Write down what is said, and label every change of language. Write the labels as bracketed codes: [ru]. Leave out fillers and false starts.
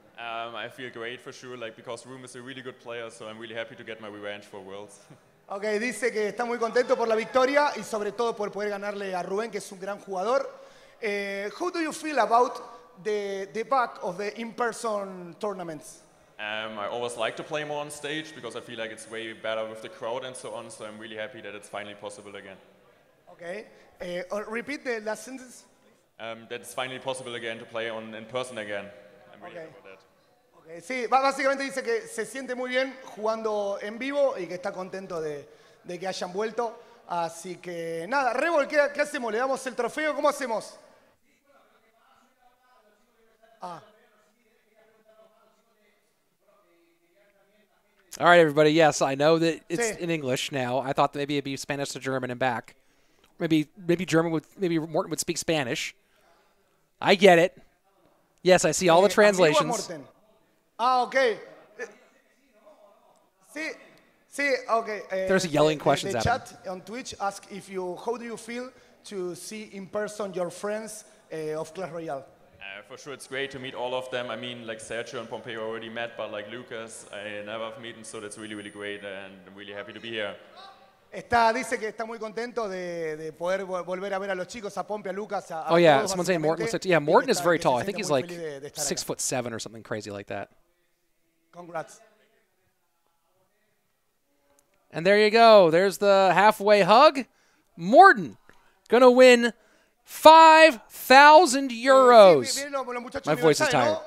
[en] I feel great for sure, like because Room is a really good player, so I'm really happy to get my revenge for Worlds. [es] Okay, dice que está muy contento por la victoria y sobre todo por poder ganarle a Ruben, que es un gran jugador. [en] How do you feel about the back of the in-person tournaments? I always like to play more on stage because I feel like it's way better with the crowd and so on, so I'm really happy that it's finally possible again. Okay, repeat the last sentence. That it's finally possible again to play on in person again. I'm really happy about that. [es] Sí, básicamente dice que se siente muy bien jugando en vivo y que está contento de que hayan vuelto. Así que nada, Revol, ¿qué hacemos? ¿Le damos el trofeo? ¿Cómo hacemos? Ah. [en] All right, everybody. Yes, I know that it's sí. In English now. I thought that maybe it'd be Spanish to German and back. Maybe German would, maybe Morten would speak Spanish. I get it. Yes, I see all the translations. Ah, okay. [es] Sí, sí, okay. [en] There's yelling questions at him. The chat on Twitch ask if you, how do you feel to see in person your friends of Clash Royale? For sure, it's great to meet all of them. I mean, like Sergio and Pompeo already met, but like Lucas, I never have met, so that's really, really great, and I'm really happy to be here. [es] Está, dice que está muy contento de poder volver a ver a los chicos, a Pompeo, a Lucas. [en] Oh yeah, someone's saying Morten. Looks like, yeah, Morten is very tall. I think he's like 6'7" or something crazy like that. Congrats. And there you go. There's the halfway hug. Morten going to win 5,000 euros. My voice is tired.